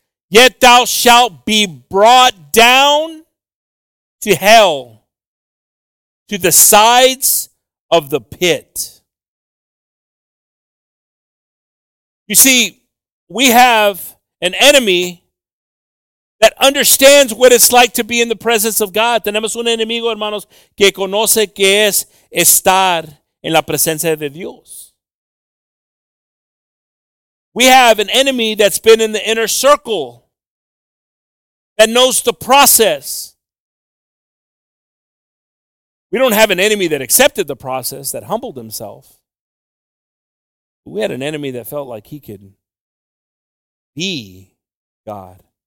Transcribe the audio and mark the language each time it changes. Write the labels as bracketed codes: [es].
[en] Yet thou shalt be brought down to hell, to the sides of the pit. You see, we have an enemy that understands what it's like to be in the presence of God. [es] Tenemos un enemigo, hermanos, que conoce que es estar en la presencia de Dios. [en] We have an enemy that's been in the inner circle, that knows the process. We don't have an enemy that accepted the process, that humbled himself. We had an enemy that felt like he could be God.